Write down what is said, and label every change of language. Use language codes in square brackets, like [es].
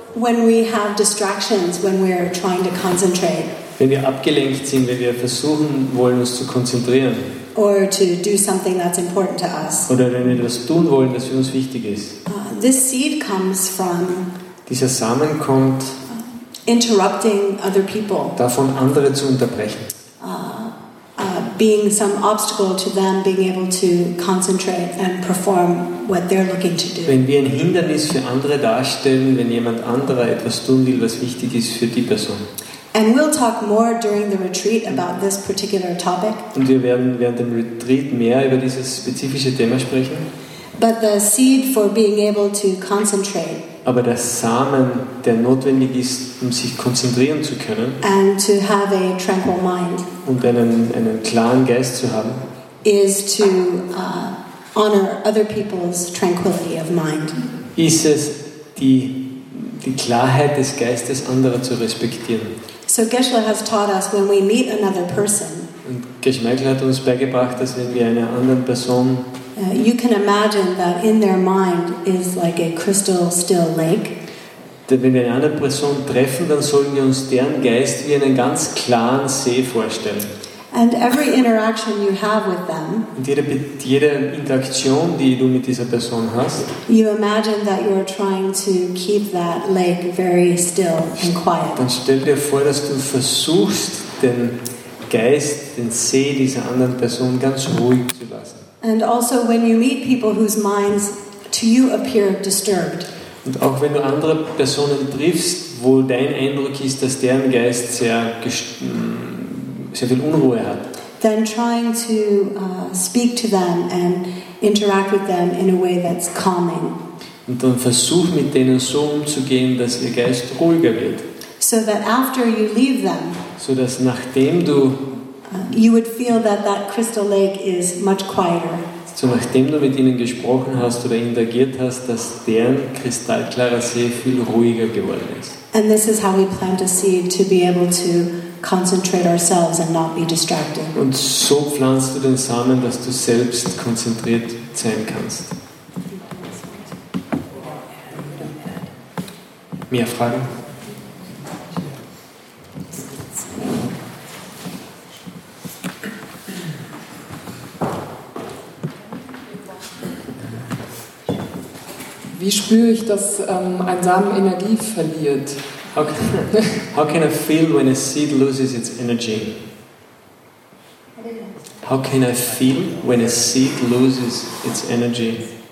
[en] When we have distractions, when we're trying to concentrate. [de] Wenn wir abgelenkt sind, wenn wir versuchen wollen, uns zu konzentrieren. [en] Or to do something that's important to us. [de] Oder wenn wir etwas tun wollen, das für uns wichtig ist. [en] This seed comes from. [de] Dieser Samen kommt. [en] Interrupting other people. [de] Davon, andere zu unterbrechen. [en] Being some obstacle to them being able to concentrate and perform what they're looking to do. [de] Wenn wir ein Hindernis für andere darstellen, wenn jemand anderer etwas tun will, was wichtig ist für die Person. [en] And we'll talk more during the retreat about this particular topic. [de] Und wir werden während dem Retreat mehr über dieses spezifische Thema sprechen. [en] But the seed for being able to concentrate. [de] Aber der Samen, der notwendig ist, um sich konzentrieren zu können. [en] And to have a tranquil mind. [de] Und einen klaren Geist zu haben. [en] Is to honor other people's tranquility of mind. [de] Ist es, die Klarheit des Geistes anderer zu respektieren. [en] So Geshe has taught us when we meet another person. [de] Und Geshe Michael hat uns beigebracht, dass wenn wir einer anderen Person. [en] You can imagine that in their mind is like a crystal still lake. [de] Wenn wir eine andere Person treffen, dann sollen wir uns deren Geist wie einen ganz klaren See vorstellen. [en] And every interaction you have with them, [de] und jede Interaktion, die du mit dieser Person hast, [en] you imagine that you're trying to keep that lake very still and quiet. [de] Dann stell dir vor, dass du versuchst, den Geist, den See dieser anderen Person ganz ruhig zu lassen. [en] And also when you meet people whose minds to you appear disturbed. [de] Und auch wenn du andere Personen triffst, wo dein Eindruck ist, dass deren Geist sehr viel Unruhe hat. [en] Then trying to speak to them and interact with them in a way that's calming. [de] Und dann versuch mit denen so umzugehen, dass ihr Geist ruhiger wird. [en] So that after you leave them. [de] So dass nachdem du [en] you would feel that that crystal lake is much quieter. [de] So nachdem du mit ihnen gesprochen hast oder interagiert hast, dass deren kristallklarer See viel ruhiger geworden ist. [en] And this is how we plant a seed to be able to concentrate ourselves and not be distracted. [de] Und so pflanzt du den Samen, dass du selbst konzentriert sein kannst. Mehr Fragen? Wie spüre ich, dass ein Samen Energie verliert? [en] How can I feel when a seed loses its energy? How can I feel when a seed loses its energy?